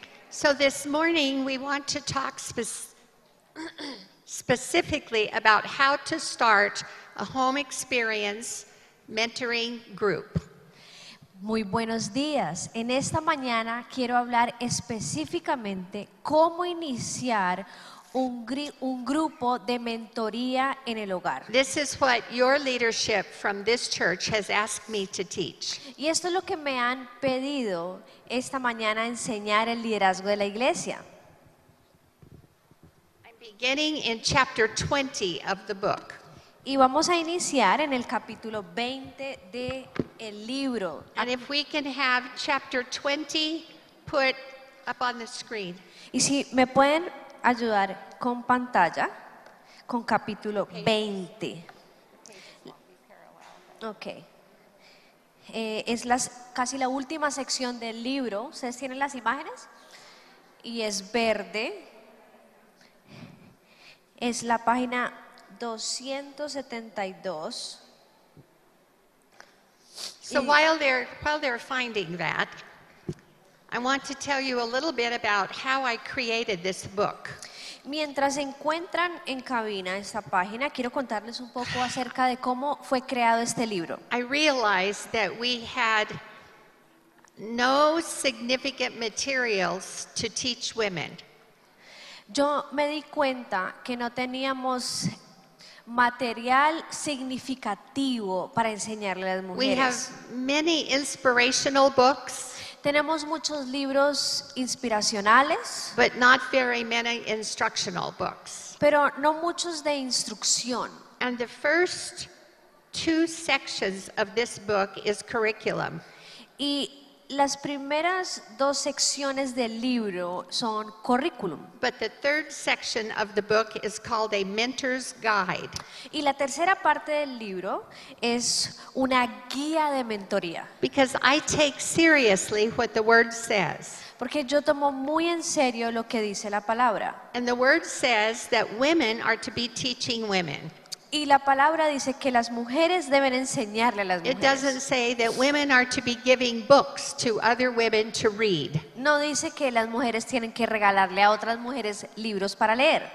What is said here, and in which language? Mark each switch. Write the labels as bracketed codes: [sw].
[en] So this morning we want to talk specifically about how to start a home experience mentoring group. [es] Muy buenos días. En esta mañana quiero hablar específicamente cómo iniciar un grupo de mentoría en el hogar. [en] This is what your leadership from this church has asked me to teach. [es] Y esto es lo que me han pedido esta mañana enseñar el liderazgo de la iglesia. [en] I'm beginning in chapter 20 of the book. [es] Y vamos a iniciar en el capítulo 20 de el libro. [en] And if we can have chapter 20 put up on the screen. [es] Y si me pueden ayudar con pantalla con capítulo 20. Okay. Es casi la última sección del libro. ¿Ustedes tienen las imágenes? Y es verde. Es la página 272. [en] So while they're finding that, I want to tell you a little bit about how I created this book. [es] Mientras encuentran en cabina esta página, quiero contarles un poco acerca de cómo fue creado este libro. [en] I realized that we had no significant materials to teach women. [es] Yo me di cuenta que no teníamos material significativo para enseñarle a las mujeres. [en] We have many inspirational books. [es] Tenemos muchos libros inspiracionales, [en] but not very many instructional books. [es] Pero no muchos de instrucción. [en] And the first two sections of this book is curriculum. [es] Y las primeras dos secciones del libro son currículum. [en] But the third section of the book is called a mentor's guide. [es] Y la tercera parte del libro es una guía de mentoría. [en] Because I take seriously what the word says. [es] Porque yo tomo muy en serio lo que dice la palabra. [en] And the word says that women are to be teaching women. [es] Y la palabra dice que las mujeres deben enseñarle a las mujeres. [en] It doesn't say that women are to be giving books to other women to read. [es] No dice que las mujeres tienen que regalarle a otras mujeres libros para leer.